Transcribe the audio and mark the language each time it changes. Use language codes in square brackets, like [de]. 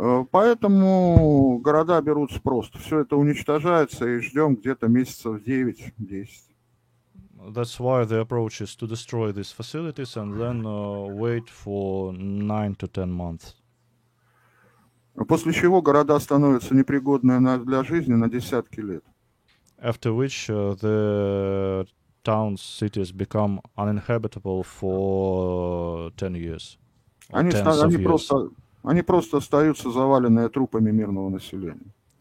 [ru] Поэтому города берутся просто. Все это уничтожается и ждем где-то месяцев 9-10. [en] That's why the approach is to destroy these facilities and then wait for 9 to 10 months. [ru] После чего города становятся непригодными для жизни на десятки лет. [en] After which the towns, cities become uninhabitable for 10 years. [ru] Они просто остаются заваленные трупами мирного населения.